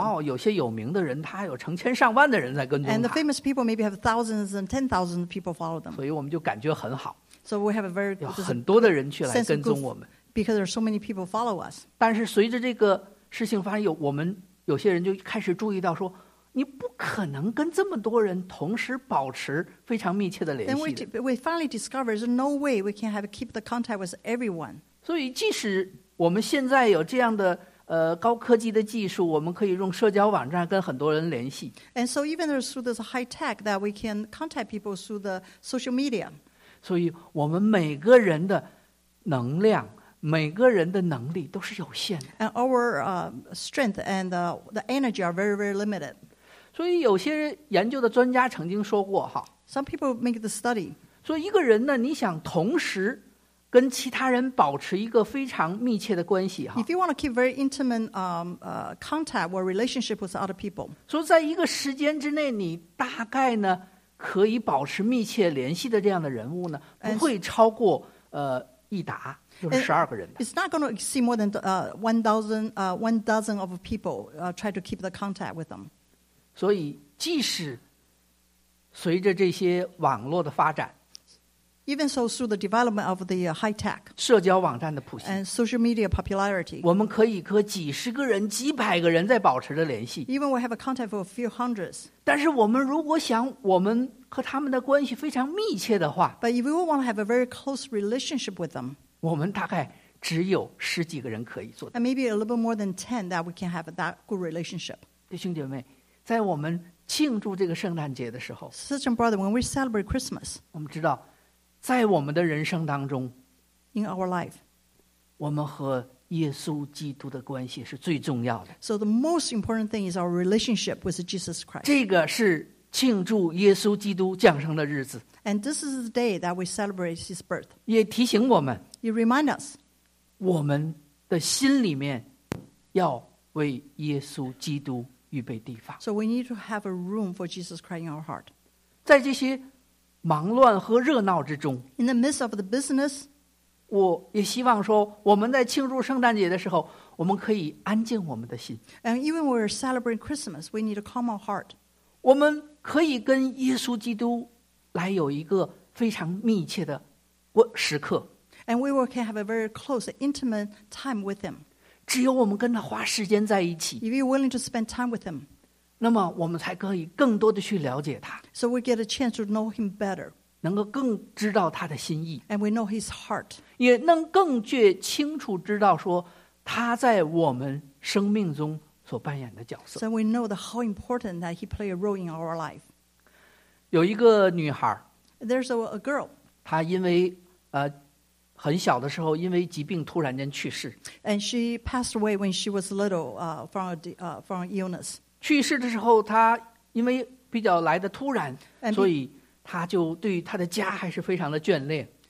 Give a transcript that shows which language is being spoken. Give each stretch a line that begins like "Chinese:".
Chinese: 哇、wow, 有些有名的人他有成千上万的人在跟踪他。
English: And the famous people maybe have thousands and ten thousands of people follow them.
Chinese: 所以我们就感觉很好。
English: So we have a very
Chinese: 有很多的人去来跟踪我们。
English: Because there are so many people follow us.
Chinese: 但是随着这个事情发生我们有些人就开始注意到说你不可能跟这么多人同时保持非常密切的联系的。
English: Then we finally discovered there's no way we can have keep the contact with everyone.
Chinese: 所以即使我们现在有这样的高科技的技术我们可以用社交网站跟很多人联系。
English: And so even through this high tech that we can contact people through the social media.
Chinese: 所以我们每个人的能量每个人的能力都是有限的。
English: And our strength and the energy are very, very limited.
Chinese: 所以有些研究的专家曾经说过哈。
English: Some people make the study.
Chinese: 所以一个人呢你想同时跟其他人保持一个非常密切的关系。
English: If you want to keep very intimate contact or relationship with other people.
Chinese: 所以在一个时间之内你大概呢可以保持密切联系的这样的人物呢不会超过一打就是12个人的。
English: It's not going to exceed more than one dozen of people try to keep the contact with them.
Chinese: 所以即使随着这些网络的发展
English: Even so, through the development of the high tech
Chinese: 社交网站的普及
English: and social media popularity,
Chinese: 我们可以和几十个人、几百个人在保持着联系
English: Even we have a contact for a few hundreds.
Chinese: 但是我们如果想我们和他们的关系非常密切的话
English: But if we want to have a very close relationship with them,
Chinese: 我们大概只有十几个人可以做
English: And maybe a little bit more than 10 that we can have that good relationship.
Chinese: 弟兄姐妹，在我们庆祝这个圣诞节的时候
English: Sister and brother, when we celebrate Christmas,
Chinese: 我们知道在我们的人生当中
English: In our life,
Chinese: 我们和耶稣基督的关系是最重要的。
English: So the most important thing is our relationship with Jesus Christ.
Chinese: 这个是庆祝耶稣基督降生的日子。
English: And this is the day that we celebrate his birth.
Chinese: 也提醒我们
English: It reminds us.
Chinese: 我们的心里面要为耶稣基督预备地方。
English: So we need to have a room for Jesus Christ in our heart.
Chinese: 在这些忙乱和热闹之中
English: In the midst of the business
Chinese: 我也希望说我们在庆祝圣诞节的时候我们可以安静我们的心
English: And even when we're celebrating Christmas we need to calm our heart
Chinese: 我们可以跟耶稣基督来有一个非常密切的时刻
English: And we can have a very close intimate time with him
Chinese: 只有我们跟他花时间在一起
English: If you're willing to spend time with him
Chinese: 那么我们才可以更多的去了解他
English: So we get a chance to know him better
Chinese: 能够更知道他的心意
English: And we know his heart
Chinese: 也能更确清楚知道说他在我们生命中所扮演的角色
English: So we know the how important that he play a role in our life
Chinese: 有一个女孩
English: There's a girl
Chinese: 她因为很小的时候因为疾病突然间去世
English: And she passed away when she was little from illness
Chinese: 去世的时候他因为比较来的突然所以他就对他的家还是非常的眷恋